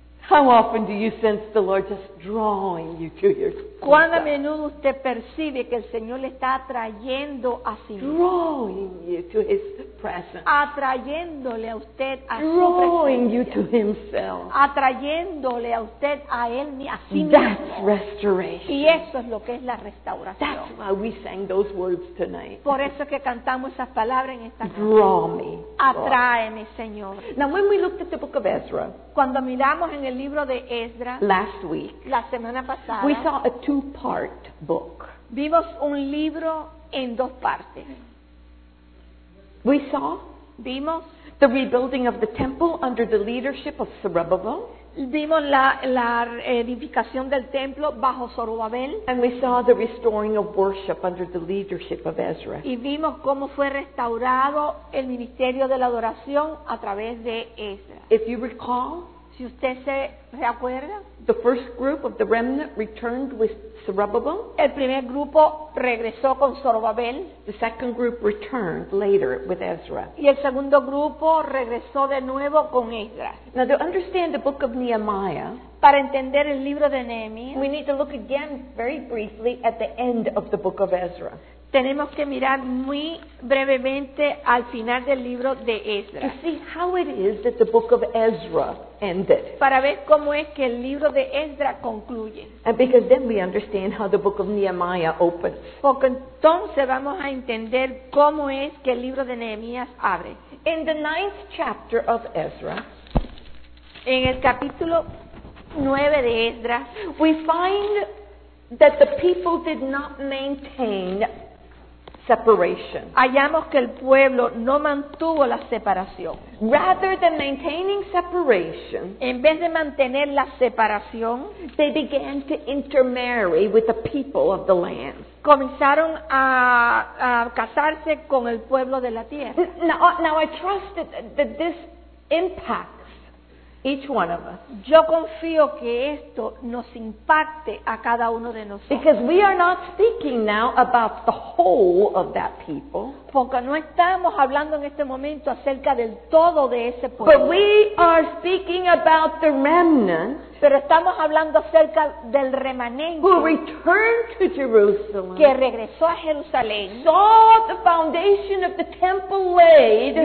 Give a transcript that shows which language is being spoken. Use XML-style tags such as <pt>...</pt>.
<en>how often do you sense the Lord just drawing you to yourself?</en> <es>¿Cuán a menudo usted percibe que el Señor le está atrayendo a sí mismo?</es> <en>Drawing you to His presence.</en> <es>Atrayéndole a usted a</es> <en>drawing you to Himself.</en> <es>Atrayéndole a usted a Él a sí</es> <en>That's</en> <es>mismo.</es> <en>That's restoration.</en> <es>Y eso es lo que es la restauración.</es> <en>That's why we sang those words tonight.</en> <es>Por eso es que cantamos esas palabras en esta noche.</es> <en>Draw me.</en> <es>Atráeme, Señor.</es> <en>Now when we looked at the book of Ezra.</en> <es>Cuando miramos en el libro de Esdras.</es> <en>Last week.</en> <es>La semana pasada.</es> <en>We saw a two-part book.</en> <es>Vimos un libro en dos partes.</es> <en>We saw.</en> <es>Vimos.</es> <en>The rebuilding of the temple under the leadership of Zerubbabel.</en> <es>Vimos la edificación del templo bajo Zorobabel.</es> <en>And we saw the restoring of worship under the leadership of Ezra.</en> <es>Y vimos cómo fue restaurado el ministerio de la adoración a través de Ezra.</es> <en>If you recall.</en> <es>Si usted se recuerda,</es> <en>the first group of the remnant returned with Zerubbabel.</en> <es>El primer grupo regresó con Zorobabel.</es> <en>The second group returned later with Ezra.</en> <es>Y el segundo grupo regresó de nuevo con Ezra.</es> <en>Now to understand the book of Nehemiah,</en> <es>para entender el libro de Nehemiah,</es> <en>we need to look again very briefly at the end of the book of Ezra.</en> <es>tenemos que mirar muy brevemente al final del libro de Esdras.</es> <en>To see how it is that the book of Ezra ended.</en> <es>Para ver cómo es que el libro de Esdras concluye.</es> <en>And because then we understand how the book of Nehemiah opens.</en> <es>Porque entonces vamos a entender cómo es que el libro de Nehemías abre.</es> <en>In the ninth chapter of Ezra,</en> <es>en el capítulo 9 de Esdras,</es> <en>we find that the people did not maintain separation.</en> <es>Hallamos que el pueblo no mantuvo la separación.</es> <en>Rather than maintaining separation,</en> <es>en vez de mantener la separación,</es> <en>they began to intermarry with the people of the land.</en> <es>Comenzaron a casarse con el pueblo de la tierra.</es> <en>Now I trust that this impacts each one of us.</en> <es>Yo confío que esto nos impacte a cada uno de nosotros.</es> <en>Because we are not speaking now about the whole of that people.</en> <es>Porque no estamos hablando en este momento acerca del todo de ese pueblo.</es> <en>But we are speaking about the remnant.</en> <es>Pero estamos hablando acerca del remanente.</es> <en>Who returned to Jerusalem.</en> <es>Que regresó a Jerusalén.</es> <en>Saw the foundation of the temple laid.</en>